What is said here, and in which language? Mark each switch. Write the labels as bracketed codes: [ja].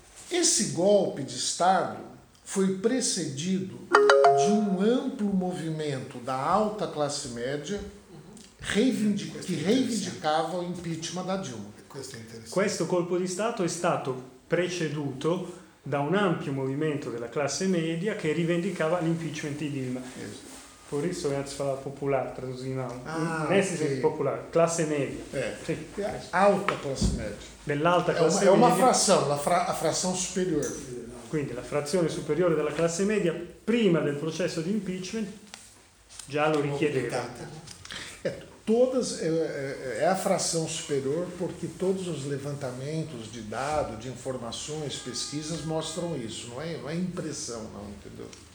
[pt] Esse golpe de Estado foi precedido de um amplo movimento da alta classe média que reivindicava o impeachment da Dilma. [it] Questo colpo di Stato è stato preceduto da un ampio movimento della classe media che rivendicava l'impeachment di Dilma. [pt] Por isso é a palavra popular, traduzindo. Nesse sentido, popular, classe média. Alta classe média. [it] Dell'alta classe [pt] média. É uma fração, a fração superior. [it] Quindi la frazione superiore della classe media prima del processo di impeachment già lo richiedeva. È a frazione superiore perché tutti i levantamenti di dati, di informazioni, pesquisas mostrano questo, non è impressione, non, entendeu?